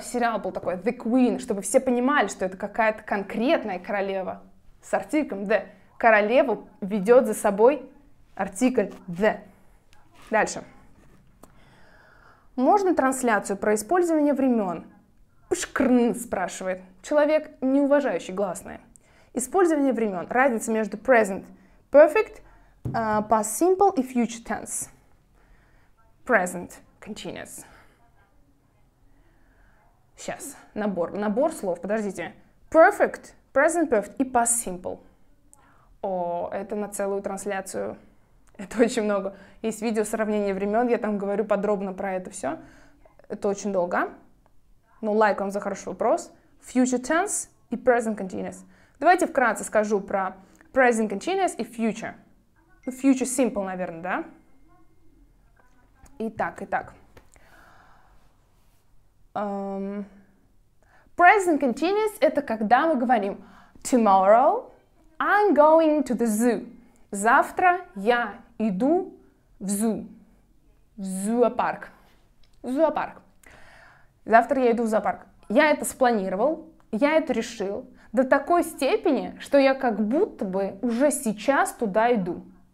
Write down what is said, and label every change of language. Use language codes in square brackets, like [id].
[ru] Сериал был такой, the queen, чтобы все понимали, что это какая-то конкретная королева. С артиклем the. Королеву ведет за собой артикль the. Дальше. Можно трансляцию про использование времен? Пшкрн спрашивает. Человек, не уважающий гласные. Использование времен. Разница между present perfect, past simple и future tense. Present continuous. Сейчас, набор слов, подождите. Perfect, present perfect и past simple. О, это на целую трансляцию. Это очень много. Есть видео сравнение времен, я там говорю подробно про это все. Это очень долго. Ну, лайк вам за хороший вопрос. Future tense и present continuous. Давайте вкратце скажу про present continuous и future. Future simple, наверное, да? Итак. Present continuous — это когда мы говорим [en] tomorrow I'm going to the zoo. [ru] Завтра я иду в zoo. В зоопарк. Зоопарк. Завтра я иду в зоопарк. Я это спланировал, я это решил до такой степени, что я как будто бы уже сейчас туда иду.